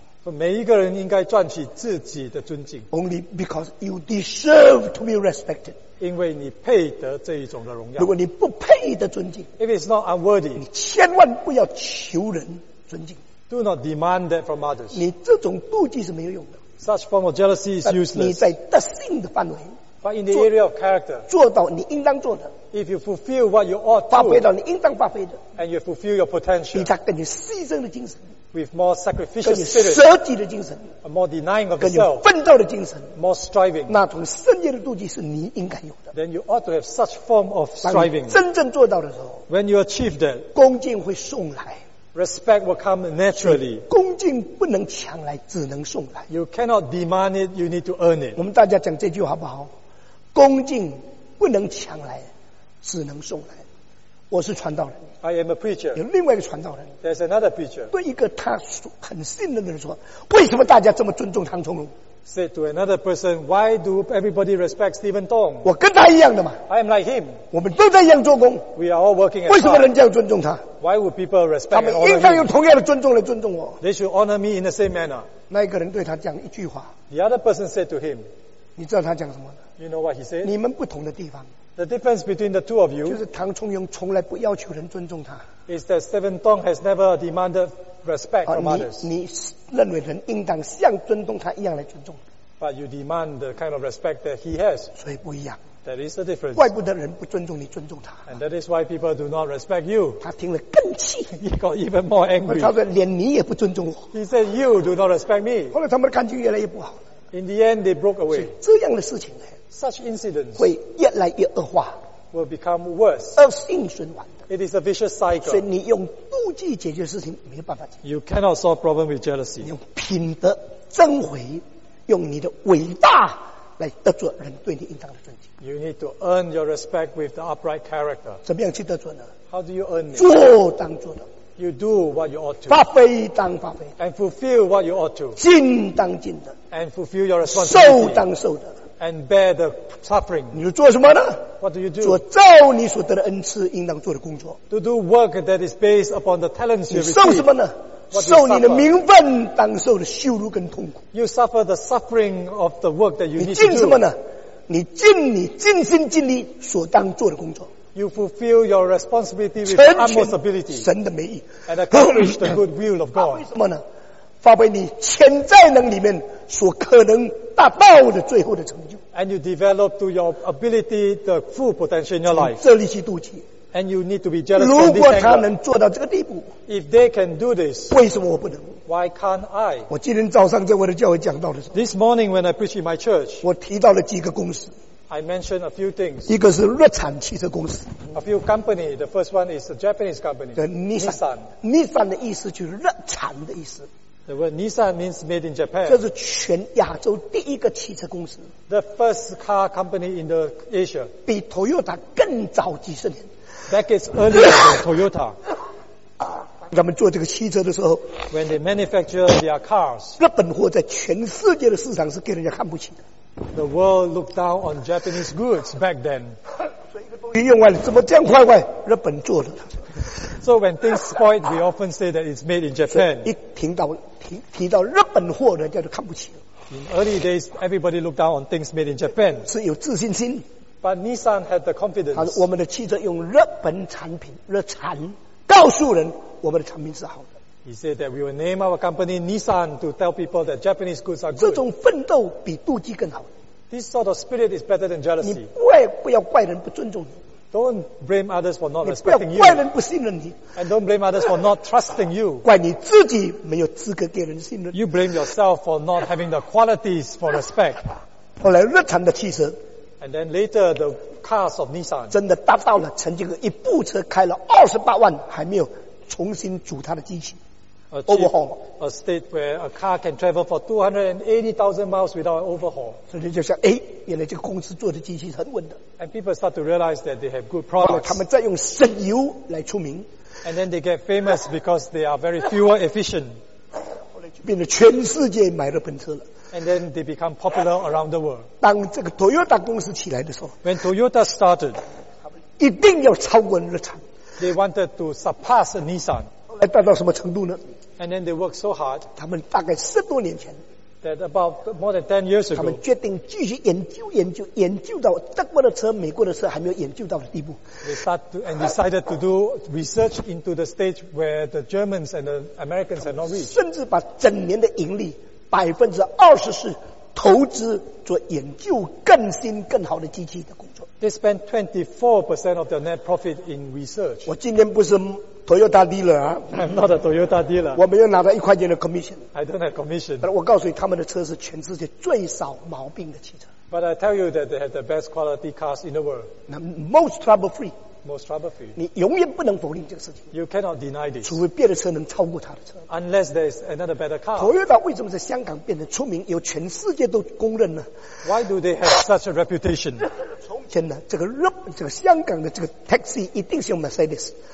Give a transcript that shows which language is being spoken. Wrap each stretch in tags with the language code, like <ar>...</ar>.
<zh>每一个人应该赚取自己的尊敬。</zh> <en>Only because you deserve to be respected.</en> <zh>因为你配得这一种的荣耀。如果你不配得尊敬</zh> <en>，If it's not unworthy,</en> <zh>你千万不要求人尊敬。</zh> <en>Do not demand that from others.</en> <zh>你这种妒忌是没有用的。</zh> <en>Such form of jealousy is useless.</en> <zh>你在德性的范围。</zh> <en>But in the area of character,</en> <zh>做到你应当做的</zh> <en>if you fulfill what you ought to,</en> <zh>发挥到你应当发挥的</zh> <en>and you fulfill your potential,</en> <zh>比他更有牺牲的精神</zh> <en>with more sacrificial spirit,</en> <zh>更有舍己的精神</zh> <en>a more denying of yourself,</en> <zh>更有奋斗的精神</zh> <en>more striving,</en> <zh>那种圣洁的妒忌是你应该有的</zh> <en>then you ought to have such form of striving,</en> <zh>真正做到的时候</zh> <en>when you achieve that,</en> <zh>恭敬会送来</zh> <en>Respect will come naturally.</en> <zh>恭敬不能抢来，只能送来。</zh> <en>You cannot demand it, you need to earn it.</en> <zh>我们大家讲这句好不好？恭敬不能抢来，只能送来。我是传道人。</zh> <en>I am a preacher.</en> <zh>有另外一个传道人。</zh> <en>There's another preacher.</en> <zh>对一个他很信任的人说，为什么大家这么尊重唐崇荣？</zh> <en>Said to another person, why do everybody respect Stephen Tong?</en> <zh>我跟他一样的嘛。</zh> <en>I am like him.</en> <zh>我们都在一样做工。</zh> <en>We are all working as hard.</en> <zh>为什么人家要尊重他？</zh> <en>Why would people respect and honor him?</en> <zh>他们应该用同样的尊重来尊重我。</zh> <en>They should honor me in the same manner.</en> <zh>那一个人对他讲一句话。</zh> <en>The other person said to him,</en> <zh>你知道他讲什么？</zh> <en>You know what he said?</en> <zh>你们不同的地方。</zh> <en>The difference between the two of you</en> <zh>就是唐崇荣从来不要求人尊重他</zh> <en>is that Stephen Tong has never demanded respect from others.</en> <zh>你认为人应当像尊重他一样来尊重。</zh> <en>But you demand the kind of respect that he has.</en> <zh>所以不一样。</zh> <en>That is the difference.</en> <zh>怪不得人不尊重你，尊重他。</zh> <en>And that is why people do not respect you.</en> <zh>他听了更气。</zh> <en>He got even more angry.</en> <zh>他说连你也不尊重我。</zh> <en>He said you do not respect me.</en> <zh>后来他们的感情越来越不好。</zh> <en>In the end, they broke away.</en> <zh>这样的事情呢？</zh> <en>Such incidents</en> <zh>会越来越恶化</zh> <en>will become worse.</en> <zh>恶性循环的</zh> <en>It is a vicious cycle.</en> <zh>所以你用妒忌解决事情没有办法解决</zh> <en>You cannot solve problem with jealousy.</en> <zh>你用品德争回，用你的伟大来得罪人对你应当的尊敬</zh> <en>You need to earn your respect with the upright character.</en> <zh>怎么样去得罪呢</zh> <en>How do you earn it?</en> <zh>做当做的</zh> <en>You do what you ought to.</en> <zh>发挥当发挥</zh> <en>And fulfill what you ought to.</en> <zh>尽当尽的</zh> <en>And fulfill your responsibility.</en> <zh>受当受的</zh> <en>And bear the suffering.</en> <zh>你做什么呢</zh> <en>What do you do?</en> <zh>做照你所得的恩赐应当做的工作</zh> <en>To do work that is based upon the talents you receive.</en> <zh>你受什么呢 受你的名分当受的羞辱跟痛苦</zh> <en>You suffer the suffering of the work that you need to do.</en> <zh>你尽什么呢你尽你尽心尽力所当做的工作</zh> <en>You fulfill your responsibility with utmost ability.</en> <zh>神的美意</zh> <en>And accomplish the good will of God.</en> <zh>为什么呢发挥你潜在能里面所可能大爆的最后的成就</zh> <en>And you develop to your ability the full potential in your life</en> <zh>这里去妒忌</zh> <en>And you need to be jealous</en> <zh>如果他能做到这个地步</zh> <en>If they can do this</en> <zh>为什么我不能</zh> <en>Why can't I</en> <zh>我今天早上在我的教会讲到的时候</zh> <en>This morning when I preach in my church</en> <zh>我提到了几个公司</zh> <en>I mentioned a few things</en> <zh>一个是日产汽车公司</zh> <en>A few company The first one is a Japanese company</en> <zh>Nissan Nissan 的意思就是日产的意思</zh> <en>The word Nissan means made in Japan.</en> <zh>这是全亚洲第一个汽车公司。</zh> <en>The first car company in the Asia.</en> <zh>比 Toyota 更早几十年。</zh> <en>Decades earlier than Toyota.</en> <zh>他们做这个汽车的时候。</zh> <en>When they manufacture their cars.</en> <zh>日本货在全世界的市场是给人家看不起的。</zh> <en>The world looked down on Japanese goods back then.</en> <zh>你用完了怎么这样坏坏日本做的。</zh> <en>So when things spoil, we often say that it's made in Japan.</en> <zh>一听到提到日本货的，人家就看不起了。</zh> <en>In early days, everybody looked down on things made in Japan.</en> <zh>是有自信心。</zh> <en>But Nissan had the confidence.</en> <zh>他说我们的汽车用日本产品，日产，告诉人我们的产品是好的。</zh> <en>He said that we will name our company Nissan to tell people that Japanese goods are good.</en> <zh>这种奋斗比妒忌更好。</zh> <en>This sort of spirit is better than jealousy.</en> <zh>你怪不要怪人不尊重你。</zh> <en>Don't blame others for not respecting you.</en> <zh>你不要怪人不信任你。</zh> <en>And don't blame others for not trusting you.</en> <zh>怪你自己没有资格给人信任。</zh> <en>You blame yourself for not having the qualities for respect.</en> <zh>后来日产的汽车。</zh> <en>And then later the cars of Nissan.</en> <zh>真的达到了曾经一部车开了28万还没有重新组它的机器。</zh> <en>Overhaul. A state where a car can travel for 280,000 miles without an overhaul.</en> <zh>所以就像，原来这个公司做的机器很稳的。</zh> <en>And people start to realize that they have good products.</en> <zh>他们再用省油来出名。</zh> <en>And then they get famous because they are very fuel efficient.</en> <zh>后来就变成全世界买日本车了。</zh> <en>And then they become popular around the world.</en> <zh>当这个 Toyota 公司起来的时候。</zh> <en>When Toyota started.</en> <zh>一定要超过日产。</zh> <en>They wanted to surpass Nissan.</en> <zh>后来达到什么程度呢？</zh> <en>And then they work so hard.</en> <zh>他们大概十多年前</zh> <en>That about more than 10 years ago.</en> <zh>他们决定继续研究研究研究到德国的车美国的车还没有研究到的地步</zh> <en>They start to, and decided to do research into the stage where the Germans and the Americans had not reached.</en> <zh>甚至把整年的盈利 20% 是投资做研究更新更好的机器的工作</zh> <en>They spent 24% of their net profit in research.</en> <zh>我今天不是</zh> <en>Toyota dealer. I'm not a Toyota dealer.</en> <zh>我没有拿到一块钱的 commission.</zh> <en>I don't have commission.</en> <zh>但我告诉你，他们的车是全世界最少毛病的汽车。</zh> <en>But I tell you that they have the best quality cars in the world. Most trouble free. Most trouble free.</en> <zh>你永远不能否定这个事情。</zh> <en>You cannot deny this.</en> <zh>除非别的车能超过他的车。</zh> <en>Unless there is another better car.</en> <zh>Toyota 为什么在香港变得出名，由全世界都公认呢</zh> <en>？Why do they have such a reputation?</en> <zh>从前呢，这个香港的这个 taxi 一定是用 Mercedes。</zh>